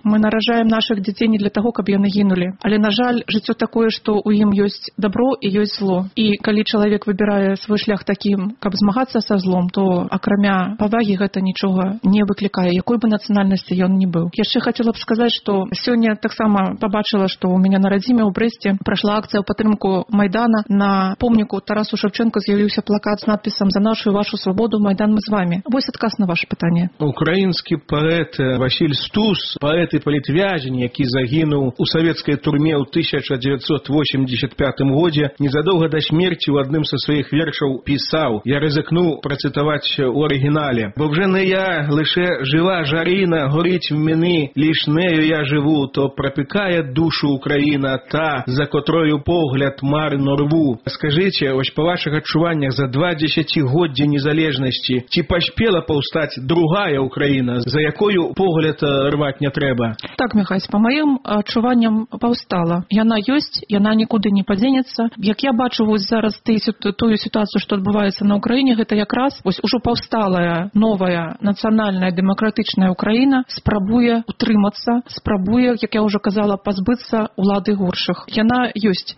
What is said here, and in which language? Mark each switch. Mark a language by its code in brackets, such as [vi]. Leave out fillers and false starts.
[be] Мы наражаем нашых дзяцей не для таго, каб яны гінулі. Але, на жаль, жыццё такое, што ў ім ёсць дабро і ёсць зло. І калі чалавек выбірае свой шлях такім, каб змагацца са злом, то акрамя павагі гэта нічога не выклікае, якой бы нацыянальнасці ён не быў. Яшчэ хацела б сказаць, што сёння таксама пабачыла, што ў мяне на радзіме ў Брэсце прайшла акцыя ў падтрымку Майдана. На помніку Тарасу Шевченко з'явіўся плакат надпісам «За нашу і вашу свободу, Майдан, мы з вами». Вось адказ на ваше пытанне. Украінскі паэт Васіль Стус, паэт і палітвязень, які загінуў у савецкай турме ў 1985 годзе, незадоўга да смерці ў адным са сваіх вершаў пісаў. Я рызыкнуў працытаваць у арыгінале. [uk] «Бо вже не я, лише жива жарина, горіць в мені, ліш нею я живу, то пропікає душу Україна та, за котрою погляд марно рву». [be] Скажіце, ось па ваших адчуваннях за 20 годдзі незалежнасці, ці паспела паўстаць другая Украіна, за якою погляд рваць не трэба? Так, Міхась, па маім адчуванням паўстала. Яна ёсць, яна нікуды не падзенецца. Як я бачу вось зараз тую сітуацыю, што адбываецца на Украіне, гэта якраз вось ужо паўсталая новая нацыянальная дэмакратычная Украіна спрабуе ўтрымацца, спрабуе, як я ўжо казала, пазбыцца ўлады горшых. Яна ёсць.